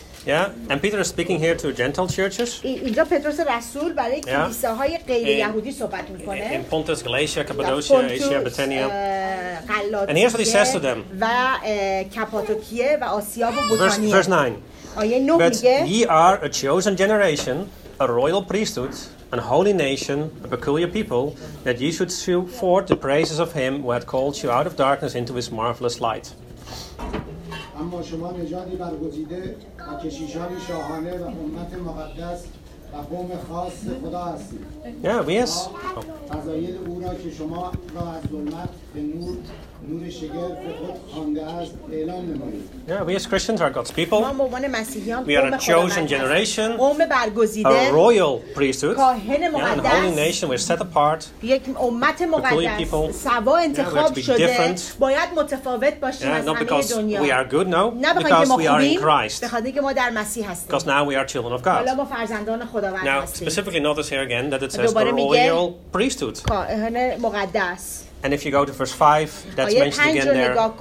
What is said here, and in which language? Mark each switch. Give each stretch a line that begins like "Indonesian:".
English: Yeah, and Peter is speaking here to Gentile churches.
Persian: اینجا پتروس رسول برای کلیساهای غیر یهودی صحبت میکنه.
English: In Pontus, Galatia, Cappadocia, Asia, Bithynia. And here's what he says to them.
Persian: و کاپادوکیه و آسیا و بوتانیه.
English: Verse 9.
Persian: آیه 9 میگه.
English: But ye are a chosen generation, a royal priesthood, an holy nation, a peculiar people, that ye should show forth the praises of him who had called you out of darkness into his marvelous light.
Persian: اما شما نژادی برگزیده و کشیشانی شاهانه و امت مقدس و قوم خاص خدا هستید.
English: Yes.
Persian: فضایل او را که شما را از ظلمت به نور نور شگرف خود خوانده است اعلام نمایید.
English: Yes, Christians are God's people.
Persian: ما عنوان مسیحیان قوم خدا هستیم. Generation. قوم برگزیده.
English: A royal priesthood.
Persian: کاهن مقدس.
English: And a holy nation we're set apart.
Persian: یک امت مقدس. سوا انتخاب شده. باید متفاوت باشیم از همه دنیا.
English: Not because we are good, no.
Persian: نه
English: because we are in Christ.
Persian: به خاطر اینکه ما در مسیح هستیم.
English: Because now we are children of God.
Persian: حالا ما فرزندان خداوند هستیم.
English: Now specifically notice here again that it says a royal priesthood.
Persian: کاهن مقدس.
English: And if you go to verse 5, that's mentioned again there,